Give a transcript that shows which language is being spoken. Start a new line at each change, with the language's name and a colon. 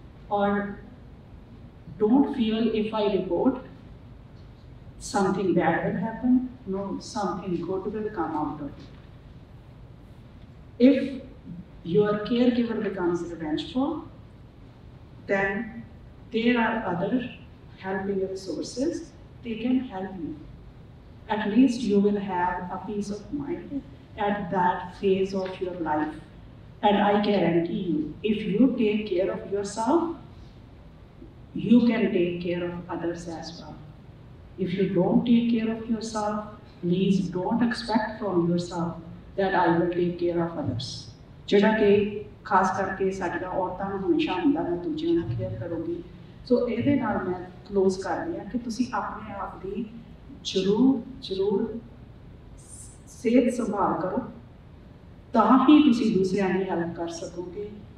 English: Or don't feel if I report something bad will happen, no, something good will come out of it. If your care giver becomes revengeful, then there are other helping resources, they can help you. At least you will have a peace of mind at that phase of your life. And I guarantee you, if you take care of yourself, you can take care of others as well. If you don't take care of yourself, please don't expect from yourself that I will take care of others.
Punjabi: ਜਿਹੜਾ ਕਿ ਖਾਸ ਕਰਕੇ ਸਾਡੀਆਂ ਔਰਤਾਂ ਨੂੰ ਹਮੇਸ਼ਾ ਹੁੰਦਾ, ਮੈਂ ਦੂਜਿਆਂ ਨਾਲ ਕੇਅਰ ਕਰੂੰਗੀ। ਸੋ ਇਹਦੇ ਨਾਲ ਮੈਂ ਕਲੋਜ਼ ਕਰ ਰਹੀ ਹਾਂ ਕਿ ਤੁਸੀਂ ਆਪਣੇ ਆਪ ਦੀ ਜ਼ਰੂਰ ਜ਼ਰੂਰ ਸਿਹਤ ਸੰਭਾਲ ਕਰੋ, ਤਾਂ ਹੀ ਤੁਸੀਂ ਦੂਸਰਿਆਂ ਦੀ ਹੈਲਪ ਕਰ ਸਕੋਗੇ।